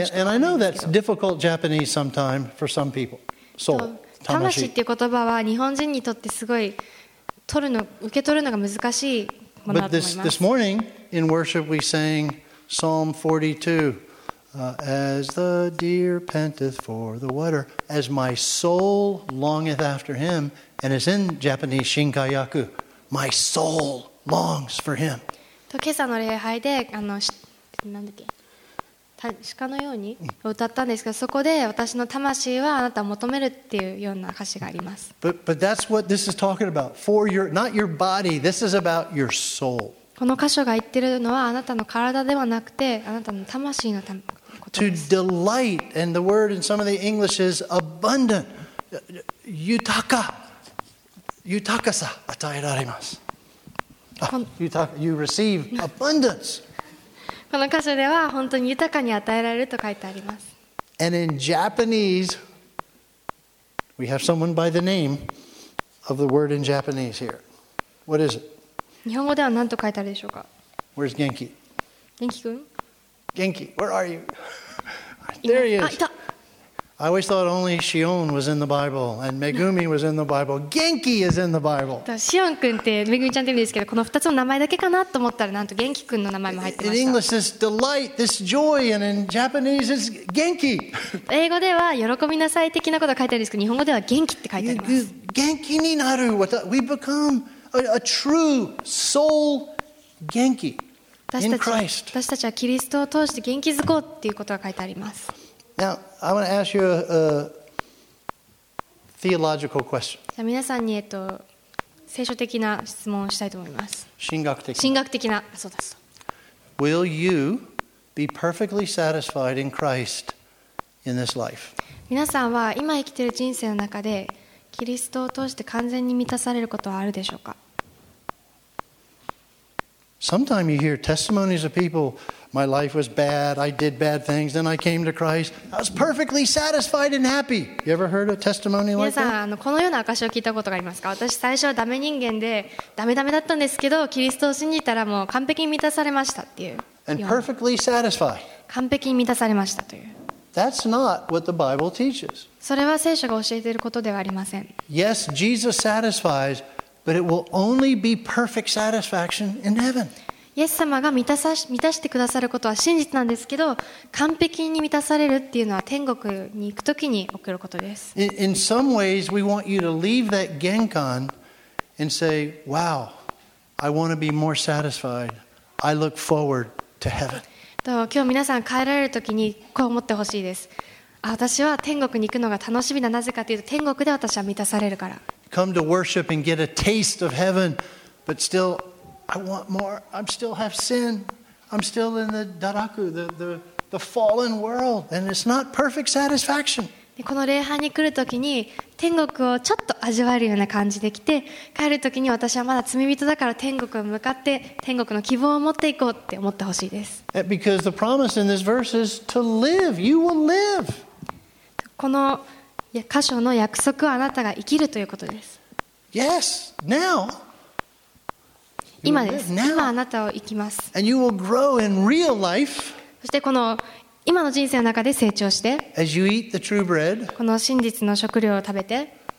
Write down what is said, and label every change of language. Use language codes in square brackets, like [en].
[en] And I know that's difficult Japanese sometimes for some people. Soul, [ja] 魂っていう言葉は日本人にとってすごい取るの受け取るのが難しいものだと思います。 [en] But this morning in worship we sang Psalm 42. As the deer panteth for the water, as my soul longeth after him, and it's in Japanese, shinkayaku, my soul longs for him. [ja] と今朝の礼拝で、何だっけ、鹿のように歌ったんですけど、そこで私の魂はあなたを求めるっていうような歌詞があります。 [en] But that's what this is talking about. For your, not your body, this is about your soul. [ja] この箇所が言ってるのはあなたの体ではなくてあなたの魂のためことです。 [en] To delight, and the word in some of the English is abundant, yutaka, [ja] yutaka さ与えられます。 [en] You receive abundance. [ja] この箇所では本当に豊かに与えられると書いてあります。 [en] And in Japanese, we have someone by the name of the word in Japanese here. What is it? [ja] 日本語では何と書いてあるでしょうか。 [en] Where's Genki? [ja] Genki 君。 [en] Genki, where are you? There he is. I always thought only Shion was in the Bible and Megumi was in the Bible. Genki is in the Bible. [ja] Shion 君ってめぐみちゃんって言うんですけど、この2つの名前だけかなと思ったらなんと Genki 君の名前も入ってました。 [en] In English, this delight, this joy, and in Japanese, it's Genki. [ja] 英語では喜びなさい的なことが書いてあるんですけど、日本語では Genki って書いてあります。 Genki になる、we become. [en] A true soul genki in Christ. [ja] 私たちはキリストを通して元気づこうっていうことが書いてあります。 [en] Now, I want to ask you a theological question. [ja] 皆さんに聖書的な質問をしたいと思います。神学的な、そうだそう。 [en] Will you be perfectly satisfied in Christ in this life? [ja] 皆さんは今生きている人生の中で。キリストを通して完全に満たされることはあるでしょうか。 [en] Sometimes you hear testimonies of people, my life was bad, I did bad things, then I came to Christ, I was perfectly satisfied and happy. You ever heard a testimony like that? [ja] 皆さんこのような証を聞いたことがありますか。私最初はダメ人間でダメダメだったんですけど、キリストを信じたらもう完璧に満たされましたっていう。 [en] And perfectly satisfied. [ja] 完璧に満たされましたという。 [en] That's not what the Bible teaches. [ja] それは聖書が教えていることではありません。 [en] Yes, Jesus satisfies, but it will only be perfect satisfaction in heaven. [ja] イエス様が満たしてくださることは真実なんですけど、完璧に満たされるっていうのは天国に行くときに起きることです。 [en] In some ways, we want you to leave that genkan and say, "Wow, I want to be more satisfied. I look forward to heaven." [ja] 今日皆さん帰られるときにこう思ってほしいです。私は天国に行くのが楽しみだ。なぜかというと天国で私は満たされるから。 [en] Come to worship and get a taste of heaven, but still, I want more. I still have sin. I'm still in the daraku, the fallen world, and it's not perfect satisfaction. [ja] この礼拝に来るときに天国をちょっと味わえるような感じで来て、帰るときに私はまだ罪人だから天国に向かって天国の希望を持っていこうって思ってほしいです。 [en] Because the promise in this verse is to live. You will live. [ja] この箇所の約束はあなたが生きるということです。 [en] Yes, now. [ja] 今です。今あなたを生きます。 [en] And you will grow in real life. [ja] そしてこの今の人生の中で成長して、 [en] bread, [ja] この真実の食料を食べて、